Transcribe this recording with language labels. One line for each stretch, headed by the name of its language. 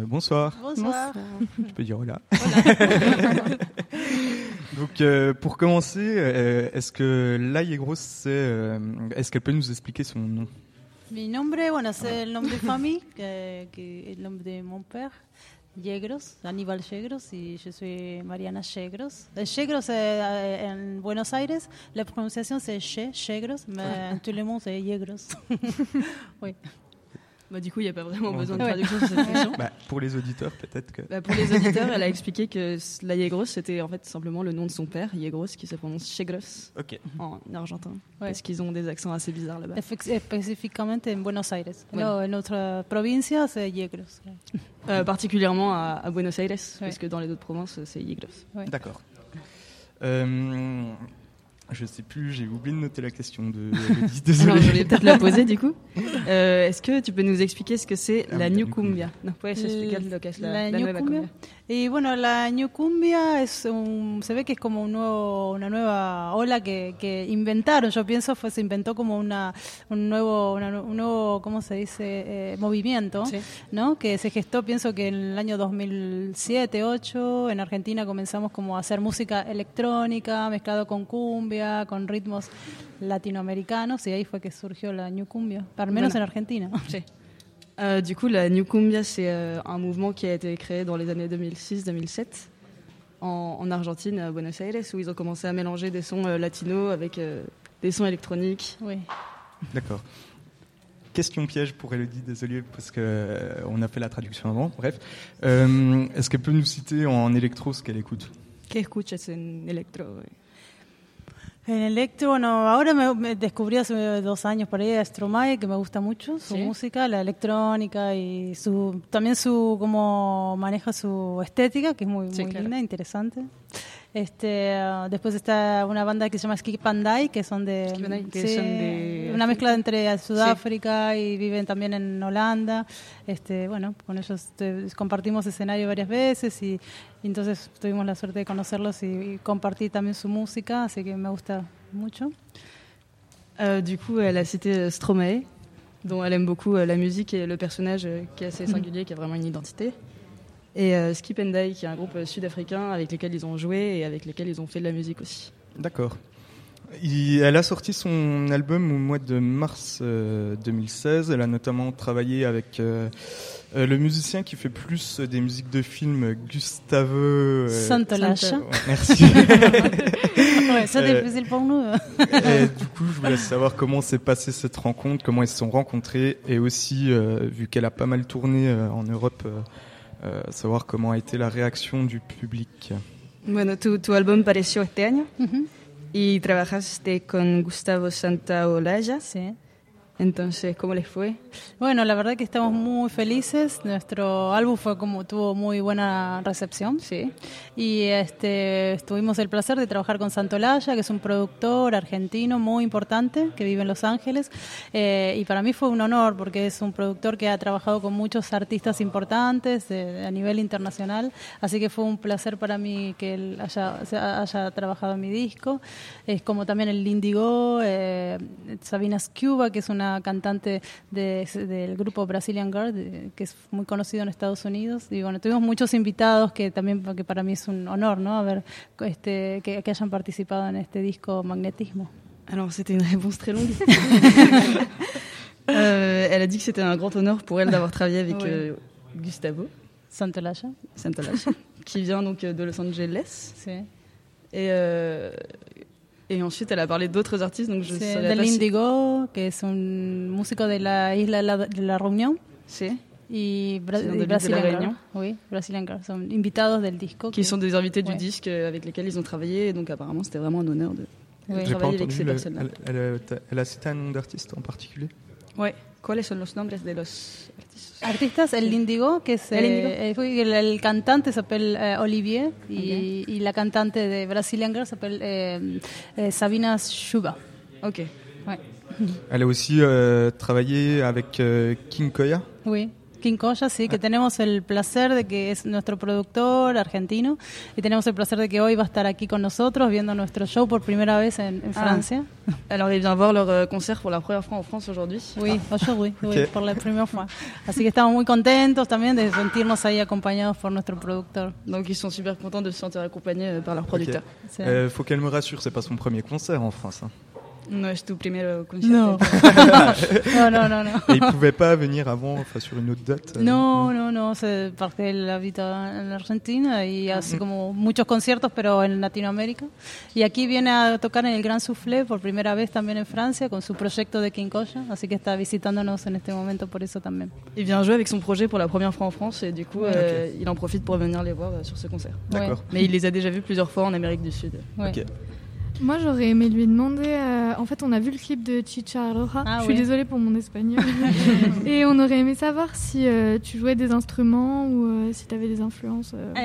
French: Bonsoir. Bonsoir. Tu peux dire hola. Donc, pour commencer, est-ce que La Yegrosse, est-ce qu'elle peut nous expliquer son nom? Mon nom, bueno, c'est le nom de famille, qui est le nom de mon père.
Spanish: Yegros, Aníbal Yegros, y yo soy Mariana Yegros. Yegros en Buenos Aires, la pronunciación es Yegros, pero todo el mundo es Yegros.
French: Oui. Bah, du coup, il n'y a pas vraiment besoin de traduction sur cette question. Bah, pour les auditeurs, peut-être que... Bah, pour les auditeurs, elle a expliqué que la Yegros, c'était en fait simplement le nom de son père, Yegros, qui se prononce Yegros, okay, en argentin, ouais, parce qu'ils ont des accents assez bizarres là-bas. Spécifiquement en Buenos Aires. Ouais. Non, en notre province, c'est Yegros. Ouais. Particulièrement à Buenos Aires, ouais, parce que dans les autres provinces, c'est Yegros. Ouais. D'accord. Je ne sais plus, j'ai oublié de noter la question de Elodie, désolé. Alors, je voulais peut-être la poser du coup. Est-ce que tu peux nous expliquer ce que c'est la New Cumbia?
Spanish: Non, puedes explicar lo que es la New Cumbia. Y bueno, la New Cumbia es un, se ve que es como un nuevo, una nueva ola que inventaron. Yo pienso que se inventó como un nuevo ¿cómo se dice? Movimiento, sí, ¿no? Que se gestó, pienso que en el año 2007-2008 en Argentina comenzamos como a hacer música electrónica mezclado con cumbia, con ritmos latinoamericanos, y ahí fue que surgió la New Cumbia, al menos en Argentina. Sí.
French: Du coup, la New Cumbia, c'est un mouvement qui a été créé dans les années 2006-2007 en Argentine, à Buenos Aires, où ils ont commencé à mélanger des sons latinos avec des sons électroniques. Oui. D'accord. Question piège pour Elodie, désolé, parce qu'on a fait la traduction avant. Bref, est-ce qu'elle peut nous citer en électro ce qu'elle écoute?
Spanish: ¿Qué escuchas en electro?
French: Oui.
Spanish: En electro, bueno, ahora me descubrí hace 2 años por ahí a Stromae, que me gusta mucho su, ¿sí?, música, la electrónica y su, también su, cómo maneja su estética, que es muy, sí, muy, claro, linda, interesante. Después está una banda que se llama Skip and Die, que son de, una mezcla entre Sudáfrica, sí, y viven también en Holanda. Bueno, con ellos compartimos escenario varias veces y entonces tuvimos la suerte de conocerlos y compartir también su música, así que me gusta mucho.
French: Du coup, elle a cité Stromae, dont elle aime beaucoup la musique et le personnage qui est assez singulier, qui a vraiment une identité. Et Skip and Die, qui est un groupe sud-africain avec lequel ils ont joué et avec lequel ils ont fait de la musique aussi. D'accord. Elle a sorti son album au mois de mars 2016. Elle a notamment travaillé avec le musicien qui fait plus des musiques de films, Gustavo... Santolache. Merci. Ouais, ça, c'est difficile pour nous. Et du coup, je voulais savoir comment s'est passée cette rencontre, comment ils se sont rencontrés, et aussi, vu qu'elle a pas mal tourné en Europe... savoir comment a été la réaction du public.
Spanish: Bueno, tu album pareció este año, y trabajaste con Gustavo Santaolalla, sí. Entonces, ¿cómo les fue? Bueno, la verdad que estamos muy felices. Nuestro álbum fue como tuvo muy buena recepción, sí. Y tuvimos el placer de trabajar con Santaolalla, que es un productor argentino muy importante que vive en Los Ángeles. Y para mí fue un honor porque es un productor que ha trabajado con muchos artistas importantes a nivel internacional. Así que fue un placer para mí que él haya trabajado en mi disco. Es como también el Indigo, Sabina Scuba, que es una cantante del grupo Brazilian Girl, que es muy conocido en Estados Unidos. Y bueno, tuvimos muchos invitados que también, que para mí es un honor, ¿no? A ver, que hayan participado en este disco Magnetismo.
French: Alors, c'était une réponse très longue. Elle a dit que c'était un grand honneur pour elle d'avoir travaillé avec, oui, Gustavo Santaolalla. Santaolalla, qui vient donc de Los Angeles.
Spanish: Sí.
French: Et ensuite, elle a parlé d'autres artistes. Donc je de l'Indigo, qui est un musicien de
Spanish: la isla de la
French: Réunion.
Spanish: Sí.
French: Et Brazilian Girl. Oui, Brazilian Girl. Ils sont invités du disque. Qui sont des invités, ouais, du disque avec lesquels ils ont travaillé. Donc apparemment, c'était vraiment un honneur de, oui, travailler avec ces personnes-là. Elle a cité un nom d'artiste en particulier. Oui.
Spanish: ¿Cuáles son los nombres de los artistas? Artistas, el Indigo, que es el cantante, se apela Olivier, okay. y la cantante de Brazilian Girl se apela Sabina Shuba.
French: Ok. Ouais. Elle a aussi travaillé avec King Koya. Oui.
Spanish: King Koya, sí, que tenemos el placer de que es nuestro productor argentino y tenemos el placer de que hoy va a estar aquí con nosotros viendo nuestro show por primera vez en Francia.
French: Alors, il vient voir leur concert pour la première fois en France aujourd'hui. Oui, aujourd'hui, oui, okay. Pour la première fois.
Spanish: Así que estamos muy contentos también de sentirnos ahí acompañados por nuestro productor.
French: Donc, ils sont super contents de se sentir accompagnés par leur producteur. Okay. Faut qu'elle me rassure, c'est pas son premier concert en France, hein.
Spanish: No es tu primer concierto. No. No.
French: Et il pouvait pas venir avant, enfin sur une autre date.
Spanish: No,
French: c'est parce qu'elle habite en
Spanish: Argentina y hace como muchos conciertos pero en Latinoamérica. Y aquí viene a tocar en el Gran Soufflé por primera vez también en Francia con su proyecto de King Koya, así que está visitándonos en este momento por eso también.
French: Il vient jouer avec son projet pour la première fois en France et du coup okay. Il en profite pour venir les voir sur ce concert. D'accord. Ouais. Mais il les a déjà vus plusieurs fois en Amérique du Sud. Ouais. Okay. Moi, j'aurais aimé lui demander... en fait, on a vu le clip de Chicha Aloha. Ah, je suis désolée pour mon espagnol. Et on aurait aimé savoir si tu jouais des instruments ou si tu avais des influences.